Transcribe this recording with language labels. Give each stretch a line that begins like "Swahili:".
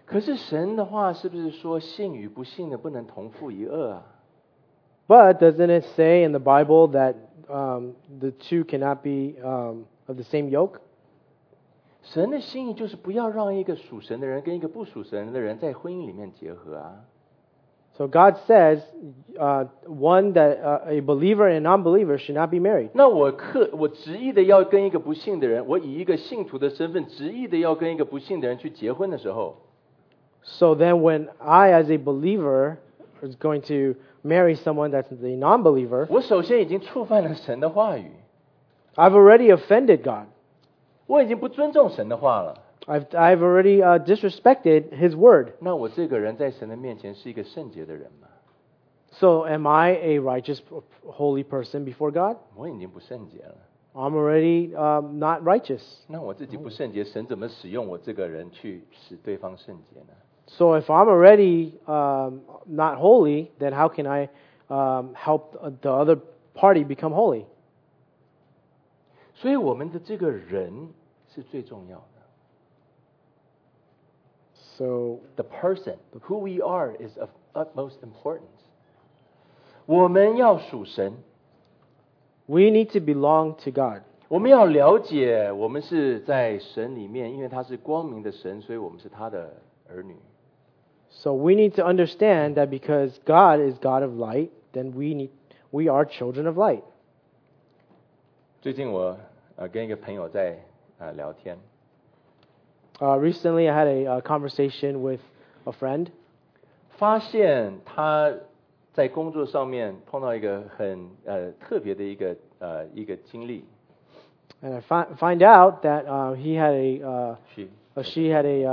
Chinese: 可是神的话是不是说信与不信的不能同父一轭啊？
English: But doesn't it say in the Bible that the two cannot be of the same yoke?
Chinese: 神的心意就是不要让一个属神的人跟一个不属神的人在婚姻里面结合啊。
English: So God says, one that a believer and non-believer should not be married.
Chinese: 那我执意的要跟一个不信的人，我以一个信徒的身份执意的要跟一个不信的人去结婚的时候。
English: So then when I as a believer is going to marry someone that's a non-believer,
Chinese: 我首先已经触犯了神的话语。
English: I've already offended God.
Chinese: 我已经不尊重神的话了。
English: I've already disrespected his word.
Chinese: 那我这个人在神的面前是一个圣洁的人吗？
English: So am I a righteous, holy person before God?
Chinese: 我已经不圣洁了。
English: I'm already not righteous.
Chinese: 那我自己不圣洁，神怎么使用我这个人去使对方圣洁呢？
English: So if I'm already not holy, then how can I help the other party become holy?
Chinese: 所以我们的这个人是最重要的。
English: So the person, who we are, is of utmost importance.
Chinese: 我们要属神。
English: We need to belong to God.
Chinese: 我们要了解我们是在神里面，因为他是光明的神，所以我们是他的儿女。
English: So we need to understand that because God is God of light, then we are children of light.
Chinese: 最近我跟一个朋友在聊天。
English: Recently, I had a conversation with a friend.
Chinese: 发现他在工作上面碰到一个很特别的一个经历。
English: And I find out that he had she had